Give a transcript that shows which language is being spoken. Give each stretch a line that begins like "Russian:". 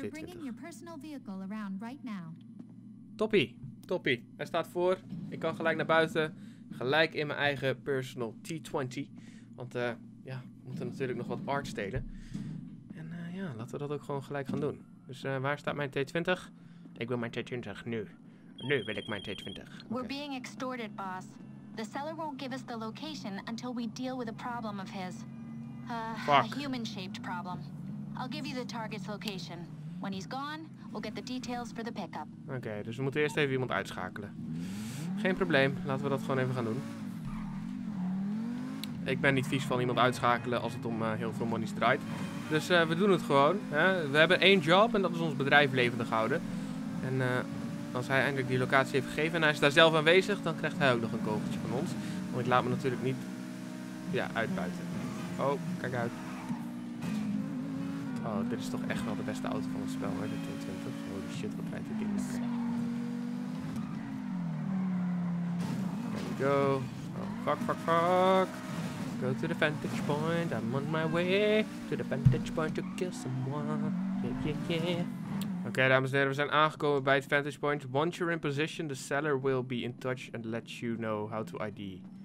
English: They're bringing your personal vehicle around right now.
Dutch: Toppie, toppie. Hij staat voor. Ik kan gelijk naar buiten. Gelijk in mijn eigen personal T20. Want ja, we moeten natuurlijk nog wat art stelen. En ja, laten we dat ook gewoon gelijk gaan doen. Dus waar staat mijn T20? Ik wil mijn T20 nu. Nu wil ik mijn T20.
English: Okay. We're being extorted, boss. The seller won't give us the location until we deal with a problem of his. Fuck. A human-shaped problem. I'll give you the target's location. When he's gone, we'll get the details for the pickup.
Dutch: Okay, dus we moeten eerst even iemand uitschakelen. Geen probleem, laten we dat gewoon even gaan doen. Ik ben niet vies van iemand uitschakelen als het om heel veel money draait. Dus we doen het gewoon. Hè? We hebben één job en dat is ons bedrijf levendig houden. En als hij eindelijk die locatie heeft gegeven en hij is daar zelf aanwezig, dan krijgt hij ook nog een kogeltje van ons. Want ik laat me natuurlijk niet uitbuiten. Oh, kijk uit. Oh, dit is toch echt wel de beste auto van het spel, hoor. De T20.
English: Holy shit,
Dutch: wat rijdt dit in.
English: Okay. There we go. Oh, fuck, fuck, fuck. Go to the vantage point. I'm on my way to the vantage point to kill someone. Yeah, yeah, yeah.
Dutch: Okay, dames en heren, we zijn aangekomen bij het vantage point.
English: Once you're in position, the seller will be in touch and let you know how to ID.